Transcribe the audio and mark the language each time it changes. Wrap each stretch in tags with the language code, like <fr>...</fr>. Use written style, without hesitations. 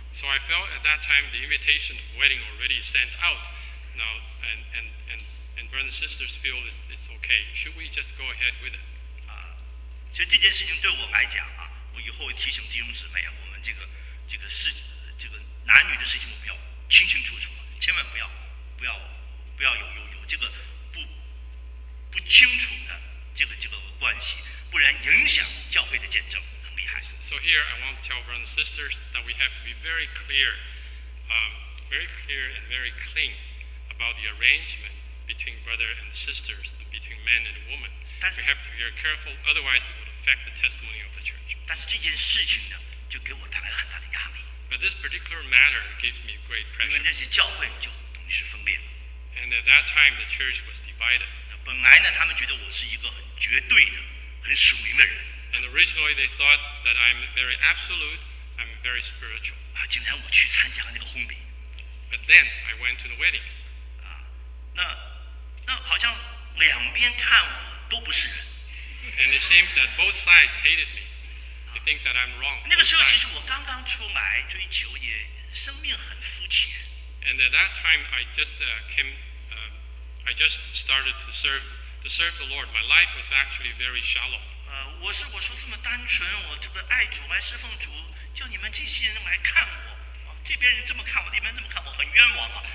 <en>So I felt at that time the invitation of wedding already sent out. Now and brothers and sisters feel it's okay. Should we just go ahead with it?</en> <zh>其实这件事情对我来讲啊。我以后提醒弟兄姊妹啊，我们这个事，这个男女的事情，我们要清清楚楚，千万不要有这个不清楚的这个关系，不然影响教会的见证，很厉害。</zh> <en>So here I want to tell brothers and sisters that we have to be very clear, very clear and very clean about the arrangement between brother and sisters, between men and women. We have to be very careful, otherwise it would affect the testimony of the church.</en> <zh>但是这件事情呢，就给我带来很大的压力。</zh> <en>But this particular matter gives me great pressure.</en> <zh>因为那些教会就等于是分裂了。</zh> <en>And at that time, the church was divided.</en> <zh>本来呢，他们觉得我是一个很绝对的、很属灵的人。</zh> <en>And originally, they thought that I'm very absolute, I'm very spiritual.</en> <zh>啊，竟然我去参加了那个婚礼。</zh> <en>But then I went to the wedding.</en> <zh>啊，那好像两边看我都不是人。</zh> <en>And it seems that both sides hated me. I think that I'm wrong.</en> <zh>那个时候其实我刚刚出来追求也生命很肤浅。</zh> <en>And at that time, I just came, I just started to serve the Lord. My life was actually very shallow.</en> <zh>我说这么单纯，我这个爱主来侍奉主，叫你们这些人来看我，这边人这么看我，那边这么看我，很冤枉啊！</zh>